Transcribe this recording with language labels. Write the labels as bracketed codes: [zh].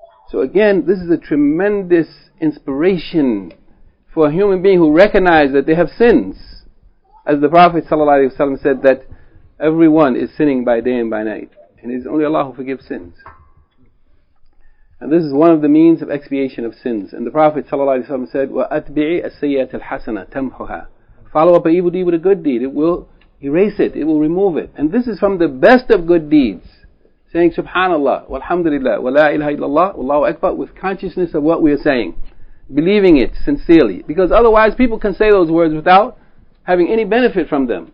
[en] So again, this is a tremendous inspiration for a human being who recognizes that they have sins. As the Prophet ﷺ said that everyone is sinning by day and by night. And it is only Allah who forgives sins. And this is one of the means of expiation of sins. And the Prophet ﷺ said, [ar] وَأَتْبِعِ السَّيِّئَةَ الْحَسَنَةَ تَمْحُهَا. [en] Follow up an evil deed with a good deed. It will erase it. It will remove it. And this is from the best of good deeds. Saying Subhanallah, walhamdulillah, wa la ilaha illallah, wallahu akbar, with consciousness of what we are saying. Believing it sincerely. Because otherwise people can say those words without having any benefit from them.